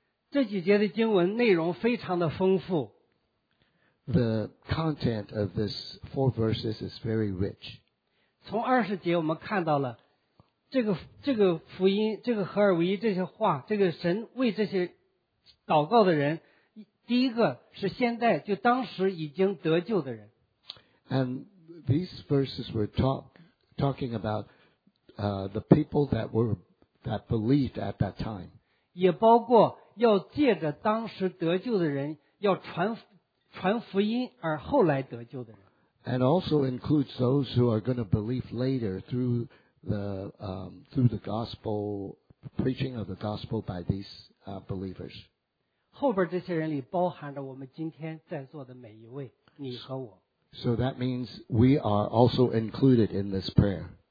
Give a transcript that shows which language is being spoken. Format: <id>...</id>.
<zh>这几节的经文内容非常的丰富。</zh> <en>The content of these four verses is very rich.</en> <zh>从二十节我们看到了这个福音，这个合而为一，这些话，这个神为这些祷告的人，第一个是现在就当时已经得救的人。</zh> <en>And these verses were talking about the people that believed at that time.</en> <zh>也包括要借着当时得救的人要传福音而后来得救的人。</zh> <en>And also includes those who are going to believe later through the gospel, preaching of the gospel by these believers.</en> <zh>后边这些人里包含着我们今天在座的每一位，你和我。</zh> <en>So that means we are also included in this prayer.</en>